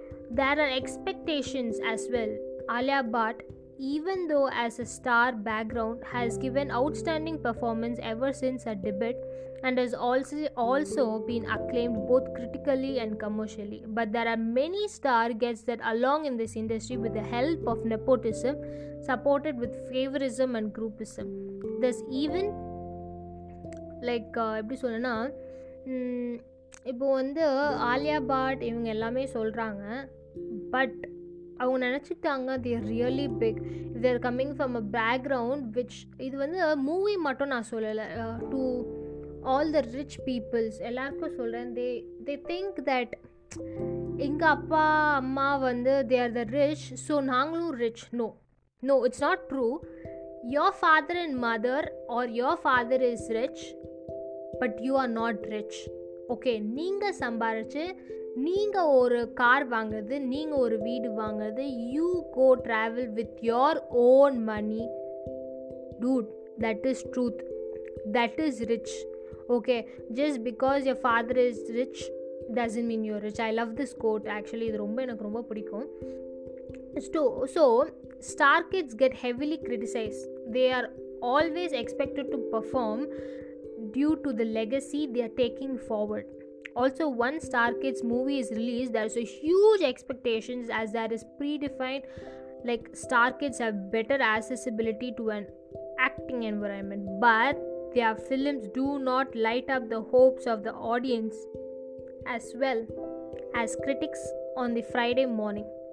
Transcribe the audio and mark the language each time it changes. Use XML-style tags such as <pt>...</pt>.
<en>There are expectations as well. Alia Bhatt, even though as a star background, has given outstanding performance ever since her debut and has also been acclaimed both critically and commercially. But there are many star gets that along in this industry with the help of nepotism, supported with favorism and groupism. There's even like எப்படி சொல்லனா, இப்போ வந்து ஆலியா பாட் இவங்க எல்லாமே சொல்றாங்க, but அவங்க நினச்சிட்டாங்க they are really big, they are coming from a background which.</en> <ta>இது வந்து மூவி மட்டும் நான் சொல்லலை, to all the rich peoples எல்லாருக்கும் சொல்கிறேன்.</ta> <en>They think that எங்கள் அப்பா அம்மா வந்து they are the rich, so நாங்களும் rich. No no, it's not true. Your father and mother are your father is rich, but you are not rich. Okay, நீங்கள் சம்பாரிச்சு நீங்கள் ஒரு car வாங்குறது, நீங்கள் ஒரு வீடு வாங்குறது, you go travel with your own money dude, that is truth, that is rich. Okay, just because your father is rich doesn't mean you're rich. I love this quote actually, இது ரொம்ப எனக்கு ரொம்ப பிடிக்கும். So star kids get heavily criticise, they are always expected to perform due to the legacy they are taking forward. Also, once Star Kids movie is released, there's a huge expectations as that is predefined, like Star Kids have better accessibility to an acting environment, but their films do not light up the hopes of the audience as well as critics on the Friday morning.</en>